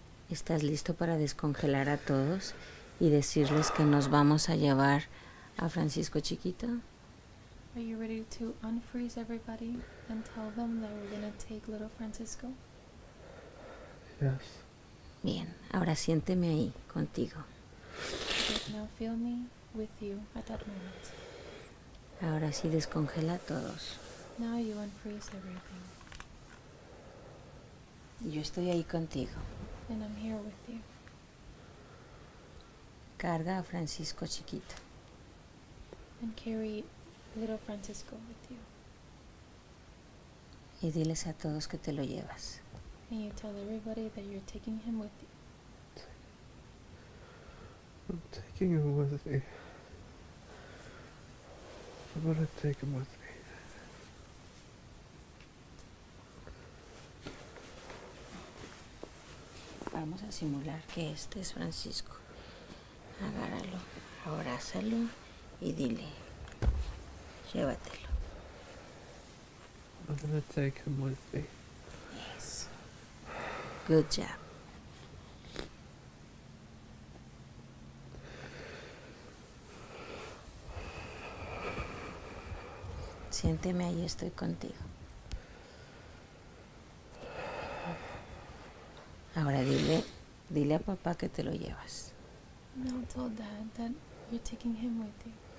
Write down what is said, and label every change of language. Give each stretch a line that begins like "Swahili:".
Spanish: ¿Estás listo para descongelar a todos y decirles que nos vamos a llevar a Francisco chiquito?
English: Are you ready to unfreeze everybody and tell them that we're going to take little Francisco? Yes.
Spanish: Bien, ahora siénteme ahí contigo.
English: Now feel me with you at that moment.
Spanish: Ahora sí descongela a todos.
English: Now you unfreeze everything.
Spanish: Yo estoy ahí contigo.
English: And I'm here with you.
Spanish: Carga a Francisco chiquito.
English: And carry little Francisco with you.
Spanish: Y diles a todos que te lo llevas.
English: And you tell everybody that you're taking him with you. I'm taking him with me. I'm gonna take him with me.
Spanish: Vamos a simular que este es Francisco. Agárralo, abrázalo y dile, llévatelo.
English: I'm gonna take him with me. Yes. Good job.
Spanish: Siénteme ahí, estoy contigo. Ahora dile a papá que te lo llevas.
English: Now tell Dad that you're taking him with you.